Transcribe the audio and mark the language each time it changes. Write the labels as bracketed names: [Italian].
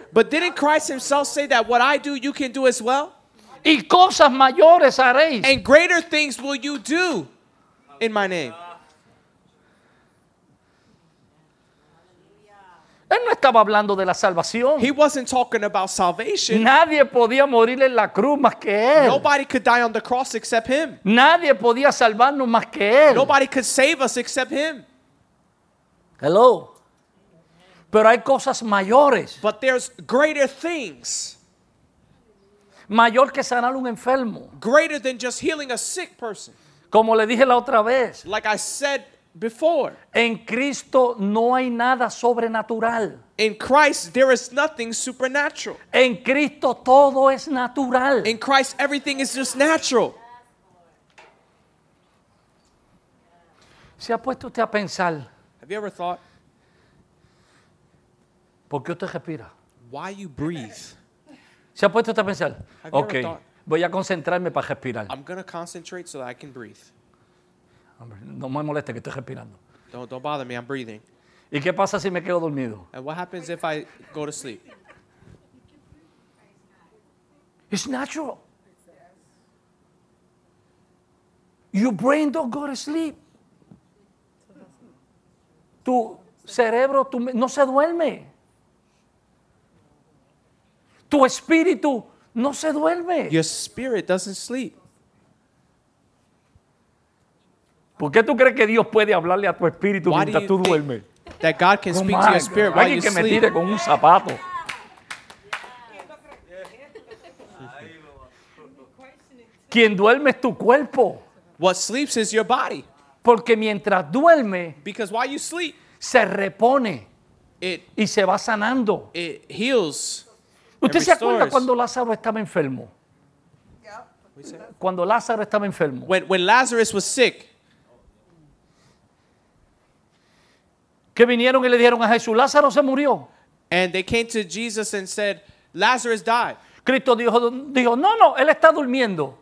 [English] But didn't Christ himself say that what I do, you can do as well? [Spanish] Y cosas mayores haréis. [English] And greater things will you do in my name. [Spanish] Él no estaba hablando de la salvación. [English] He wasn't talking about salvation. [Spanish] Nadie podía morir en la cruz más que él. [English] Nobody could die on the cross except him. [Spanish] Nadie podía salvarnos más que él. [English] Nobody could save us except him. Hello. [Spanish] Pero hay cosas mayores. [English] But there's greater things. [Spanish] Mayor que sanar un enfermo. [English] Greater than just healing a sick person. [Spanish] Como le dije la otra vez. [English] Like I said before. [Spanish] En Cristo no hay nada sobrenatural. [English] In Christ there is nothing supernatural. [Spanish] En Cristo todo es natural. [English] In Christ everything is just natural. [Spanish] ¿Se ha puesto usted a pensar? [English] Have you ever thought? [Spanish] ¿Por qué usted respira? [English] Why you breathe? [Spanish] ¿Se ha puesto usted a pensar? [English] Have okay. You ever thought? [Spanish] Voy a concentrarme para respirar. [English] I'm going to concentrate so that I can breathe. [Spanish] Hombre, no me moleste que estoy respirando. [English] Don't bother me, I'm breathing. [Spanish] ¿Y qué pasa si me quedo dormido? [English] And what happens if I go to sleep? It's natural. Your brain don't go to sleep. [Spanish] Tu cerebro, tu no se duerme. Tu espíritu no se duerme. [English] Your spirit doesn't sleep. [Spanish] ¿Por qué tú crees que Dios puede hablarle a tu espíritu mientras tú duermes? [English] That God can speak to your spirit while you sleep. [Spanish] Alguien que me tire con un zapato. Quien duerme es tu cuerpo. [English] What sleeps is your body. [Spanish] Porque mientras duerme, [English] because while you sleep, [Spanish] se repone [English] it, [Spanish] y se va sanando. [English] It heals. [Spanish] ¿Usted se acuerda cuando Lázaro estaba enfermo? Cuando Lázaro estaba enfermo. [English] When Lazarus was sick. [Spanish] Que vinieron y le dijeron a Jesús, Lázaro se murió. [English] And they came to Jesus and said, Lazarus died. [Spanish] Cristo dijo, no, no, él está durmiendo.